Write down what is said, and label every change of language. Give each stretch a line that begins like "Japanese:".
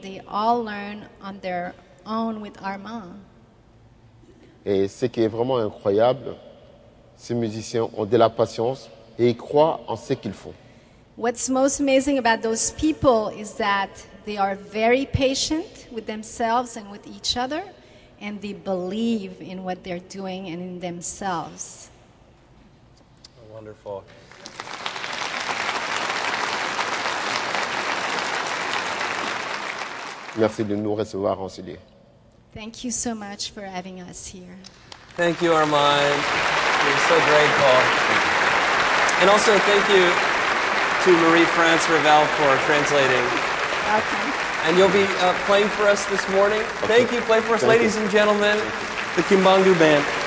English: They all learn on their own with Armand.
French: Et ce qui est vraiment incroyable, ces musiciens ont de la patience et ils croient en ce qu'ils font.
English: What's most amazing about those people is that they are very patient with themselves and with each other, and they believe in what they're doing and in themselves. Wonderful.
French: Merci de nous recevoir en CD.
English: Thank you so much for having us here. Thank you, Armand. You're so grateful. And also, thank you to Marie-France Ravel for translating. Okay. And you'll be playing for us this morning. Okay. Thank you. Play for us, ladies and gentlemen, the Kimbangu Band.